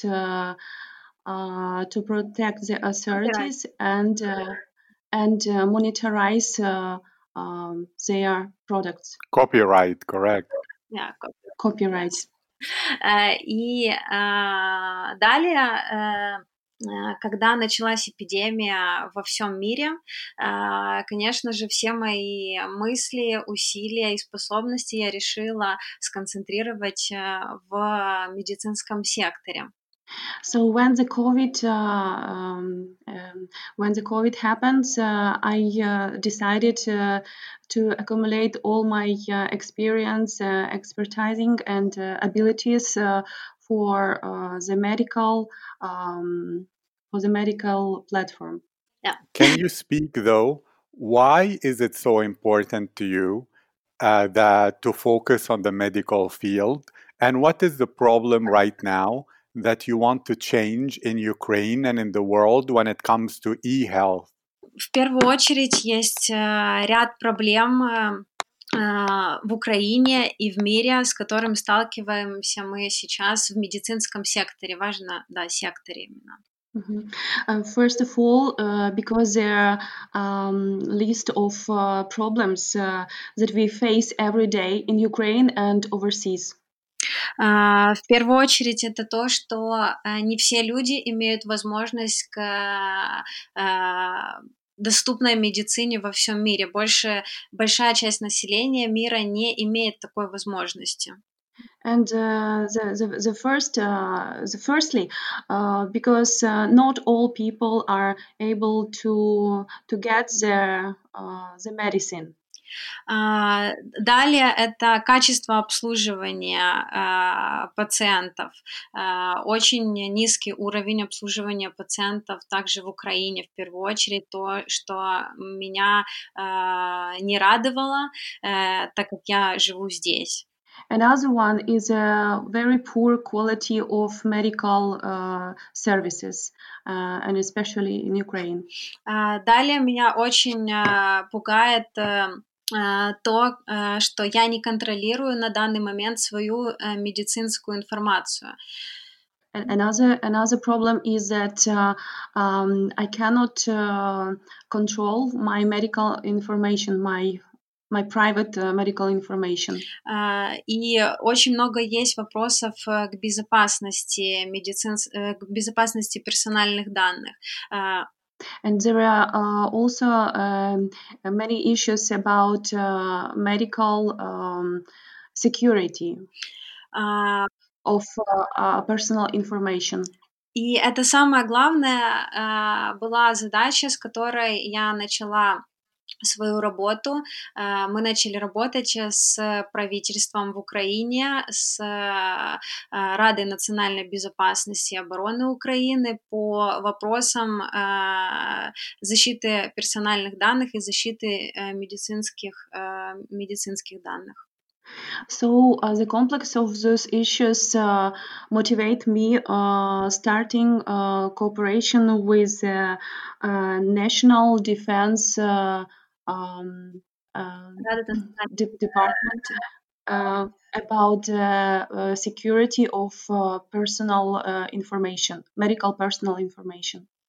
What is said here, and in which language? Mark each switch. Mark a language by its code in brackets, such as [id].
[en] To protect the authorities and monetize their products. Copyright, correct? Yeah, copyright. [ru] Далее, когда началась эпидемия во всем мире, конечно же, все мои мысли, усилия и способности я решила сконцентрировать в медицинском секторе. [en] So when the COVID happens, I decided to accumulate all my experience, expertising and abilities for the medical platform. Yeah. Can you speak though? Why is it so important to you that to focus on the medical field? And what is the problem right now that you want to change in Ukraine and in the world when it comes to e-health? [ru] В первую очередь есть ряд проблем в Украине и в мире, с которым сталкиваемся мы сейчас в медицинском секторе. Важно, да, секторе именно. [en] First of all, because there are list of problems that we face every day in Ukraine and overseas. [ru] В первую очередь это то, что не все люди имеют возможность к доступной медицине во всем мире. Большая часть населения мира не имеет такой возможности. [en] And firstly, because not all people are able to get the medicine. [ru] Далее это качество обслуживания пациентов. Очень низкий уровень обслуживания пациентов также в Украине в первую очередь. То, что меня не радовало, так как я живу здесь. [en] Another one is a very poor quality of medical services, and especially in Ukraine. [ru] Далее меня очень пугает то, что я не контролирую на данный момент свою медицинскую информацию. [en] Another problem is that I cannot control my medical information, my private medical information. [ru] И очень много есть вопросов к безопасности к безопасности персональных данных. [en] And there are also many issues about medical security of personal information. [ru] И это самая главная была задача, с которой я начала свою работу. Мы начали работать с правительством в Украине, с Радой национальной безопасности и обороны Украины по вопросам защиты персональных данных и защиты медицинских данных. [en] So the complex of those issues motivate me starting cooperation with National Defense Department about security of personal information, medical personal information.